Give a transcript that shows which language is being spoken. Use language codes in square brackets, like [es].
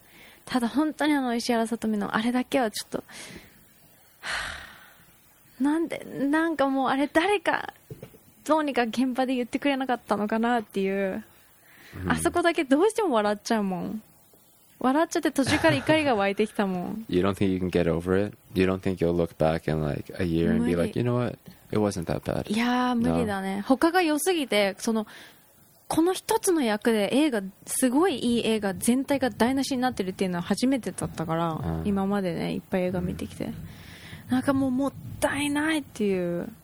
[ja] うん、ただ本当にあの石原さとみのあれだけはちょっと、なんで、なんかもうあれ誰か、どうにか現場で言ってくれなかったのかなっていう、うん、あそこだけどうしても笑っちゃうもん。笑っちゃって途中から怒りが湧いてきたもん。 [en] You don't think you can get over it? You don't think you'll look back in like a year and be like, you know what? It wasn't that bad. [ja] いやー無理だね。 [en] No. [ja] 他が良すぎて、その、この一つの役で映画、すごいいい映画全体が台無しになってるっていうのは初めてだったから、今までね、いっぱい映画見てきて。なんかもうもったいないっていう。